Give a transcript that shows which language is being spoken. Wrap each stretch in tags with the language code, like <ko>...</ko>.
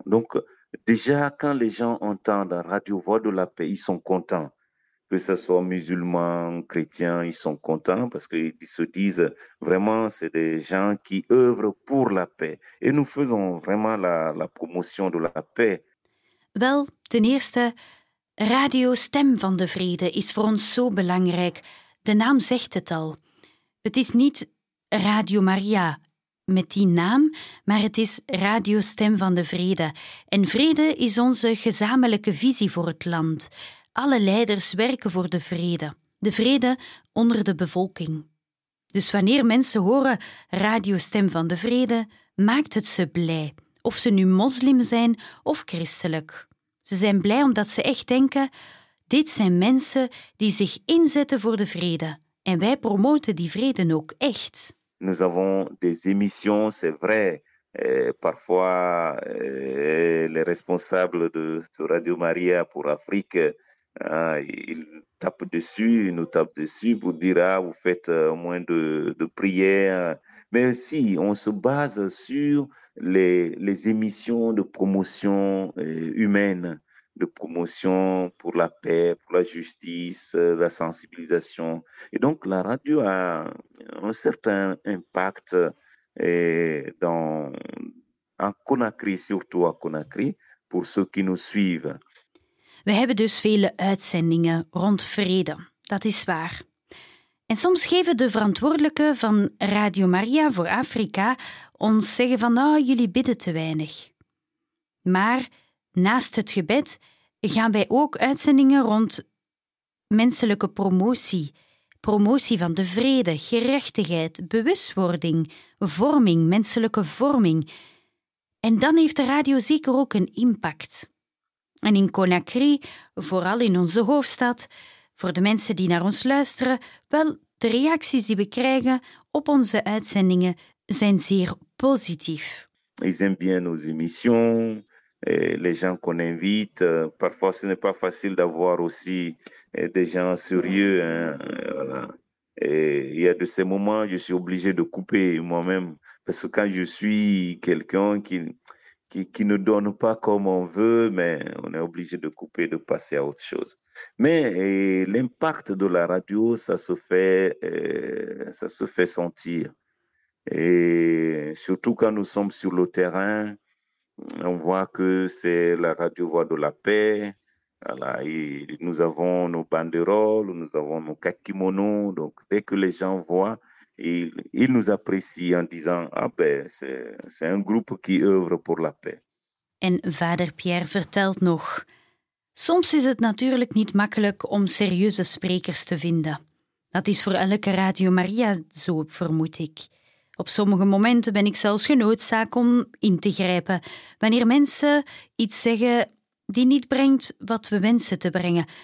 <fr>Donc, déjà, quand les gens entendent Radio Voix de la Paix, ils sont contents. Que ce soit musulmans, chrétiens, ils sont contents parce qu'ils se disent vraiment c'est des gens qui œuvrent pour la paix. Et nous faisons vraiment la promotion de la paix.</fr> <nl>Wel, ten eerste, Radio Stem van de Vrede is voor ons zo belangrijk. De naam zegt het al. Het is niet Radio Maria, met die naam, maar het is Radio Stem van de Vrede. En vrede is onze gezamenlijke visie voor het land. Alle leiders werken voor de vrede. De vrede onder de bevolking. Dus wanneer mensen horen Radio Stem van de Vrede, maakt het ze blij. Of ze nu moslim zijn of christelijk. Ze zijn blij omdat ze echt denken, dit zijn mensen die zich inzetten voor de vrede. En wij promoten die vrede ook echt.</nl> <fr>Nous avons des émissions, c'est vrai. Parfois, les responsables de Radio Maria pour Afrique, ils tapent dessus, ils nous tapent dessus pour dire ah, vous faites moins de prières. Mais si, on se base sur les émissions de promotion humaine, de promotion pour la paix, pour la justice, la sensibilisation. Et donc, la radio a un certain impact en Conakry, surtout à Conakry, pour ceux qui nous suivent.</fr> <nl>We hebben dus vele uitzendingen rond vrede. Dat is waar. En soms geven de verantwoordelijken van Radio Maria voor Afrika ons zeggen van, oh, jullie bidden te weinig. Maar naast het gebed gaan wij ook uitzendingen rond menselijke promotie. Promotie van de vrede, gerechtigheid, bewustwording, vorming, menselijke vorming. En dan heeft de radio zeker ook een impact. En in Conakry, vooral in onze hoofdstad, voor de mensen die naar ons luisteren, wel, de reacties die we krijgen op onze uitzendingen zijn zeer positief.</nl> <fr>Ils aiment bien nos émissions. Les gens qu'on invite, parfois ce n'est pas facile d'avoir aussi des gens sérieux. Hein, voilà. Et il y a de ces moments, je suis obligé de couper moi-même. Parce que quand je suis quelqu'un qui ne donne pas comme on veut, mais on est obligé de couper, de passer à autre chose. Mais l'impact de la radio, ça se fait sentir. Et surtout quand nous sommes sur le terrain, on voit que c'est la radio Voix de la Paix. Voilà, nous avons nos banderoles, nous avons nos kakimonos. Donc, dès que les gens voient, ils nous apprécient en disant « Ah ben, c'est un groupe qui œuvre pour la paix. »</fr> <nl>En vader Pierre vertelt nog. Soms is het natuurlijk niet makkelijk om serieuze sprekers te vinden. Dat is voor elke Radio Maria zo, vermoed ik. Op sommige momenten ben ik zelfs genoodzaakt om in te grijpen wanneer mensen iets zeggen die niet brengt wat we wensen te brengen.</nl>